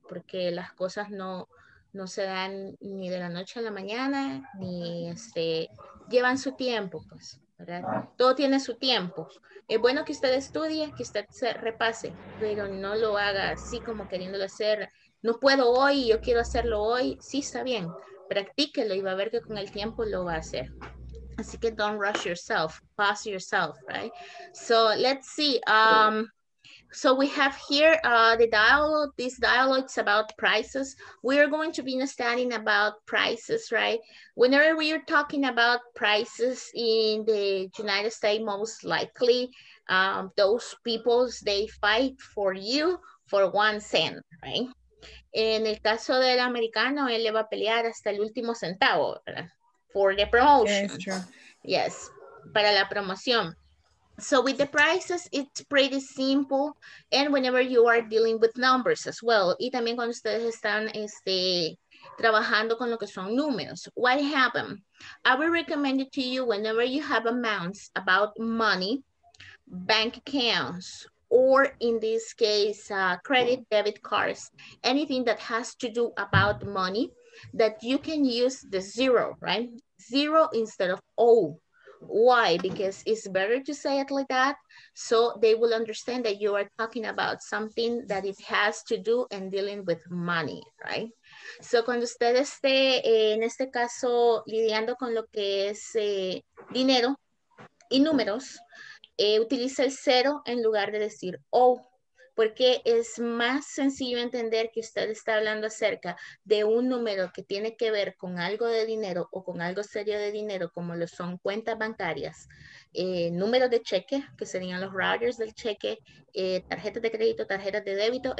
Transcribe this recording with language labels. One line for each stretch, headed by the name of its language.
Spanish: Porque las cosas no se dan ni de la noche a la mañana, ni llevan su tiempo, pues, ¿verdad? Todo tiene su tiempo. Es bueno que usted estudie, que usted se repase, pero no lo haga así como queriéndolo hacer. No puedo hoy, yo quiero hacerlo hoy. Sí, está bien. Practíquelo y va a ver que con el tiempo lo va a hacer. Así que
English: don't rush yourself, pause yourself, right? So let's see. So we have here the dialogue. This dialogue is about prices. We are going to be understanding about prices, right? Whenever we are talking about prices in the United States, most likely those people, they fight for you for 1 cent, right?
Spanish: En el caso del americano, él le va a pelear hasta el último centavo, ¿verdad?
English: For the promotion. Yeah, true. Yes,
Spanish: para la promoción.
English: So with the prices, it's pretty simple. And whenever you are dealing with numbers as well.
Spanish: Y también cuando ustedes están trabajando con lo que son números.
English: What happened? I will recommend it to you whenever you have amounts about money, bank accounts, or in this case, credit, debit cards, anything that has to do about money, that you can use the zero, right? Zero instead of O. Why? Because it's better to say it like that, so they will understand that you are talking about something that it has to do and dealing with money, right?
Spanish: So cuando usted esté, en este caso, lidiando con lo que es dinero y números, utilice el cero en lugar de decir oh, porque es más sencillo entender que usted está hablando acerca de un número que tiene que ver con algo de dinero o con algo serio de dinero, como lo son cuentas bancarias, números de cheque, que serían los routers del cheque, tarjetas de crédito, tarjetas de débito.